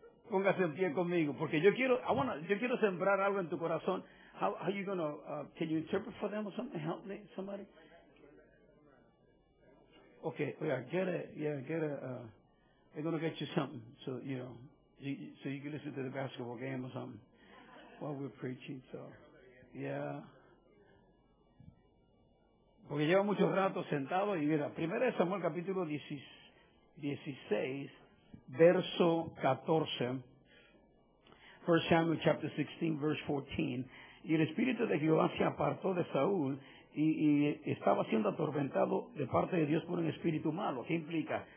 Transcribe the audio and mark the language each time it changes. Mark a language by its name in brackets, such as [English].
[Spanish] Póngase en pie conmigo, porque yo quiero sembrar algo en tu corazón. [English] How are you going to, can you interpret for them or something? Help me, somebody. Okay, they're going to get you something, so you know, so you can listen to the basketball game or something while we're preaching, so, yeah. [Spanish] Porque llevo mucho rato sentado y mira, 1 Samuel capítulo 16, verso 14, [English] 1 Samuel chapter 16, verse 14, [Spanish] y el Espíritu de Jehová se apartó de Saúl y estaba siendo atormentado de parte de Dios por un espíritu malo. ¿Qué implica?